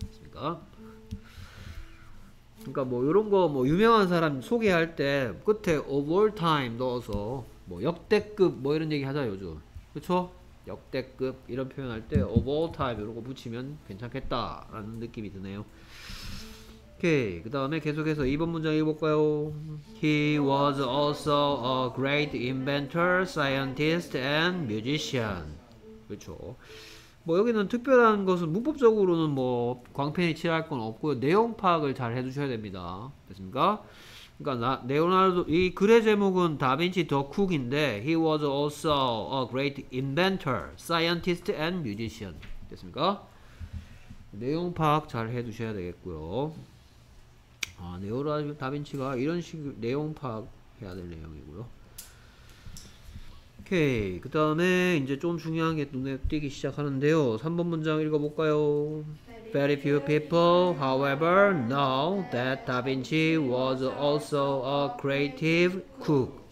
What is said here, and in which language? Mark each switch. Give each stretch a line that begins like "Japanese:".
Korean: 그러니까 뭐 요런 거 뭐 유명한 사람 소개할 때 끝에 of all time 넣어서 뭐 역대급 뭐 이런 얘기 하자 요즘. 그쵸? 역대급 이런 표현할 때 of all time 이런 거 붙이면 괜찮겠다 라는 느낌이 드네요. 오케이, 그 다음에 계속해서 2번 문장 읽어볼까요?
English: He was also a great inventor, scientist, and musician.
Korean: 그렇죠. 뭐 여기는 특별한 것은 문법적으로는 뭐 광팬이 칠할 건 없고요. 내용 파악을 잘 해주셔야 됩니다. 됐습니까? 그러니까 레오나르도 이 글의 제목은 다빈치 더 쿡인데
English: He was also a great inventor, scientist, and musician.
Korean: 됐습니까? 내용 파악 잘 해두셔야 되겠고요. 아, 레오나르도 다빈치가 이런 식으로 내용 파악해야 될 내용이고요. 오케이, 그 다음에 이제 좀 중요한 게 눈에 띄기 시작하는데요. 3번 문장 읽어볼까요?
English: Very few people, however, know that Da Vinci was also a creative cook.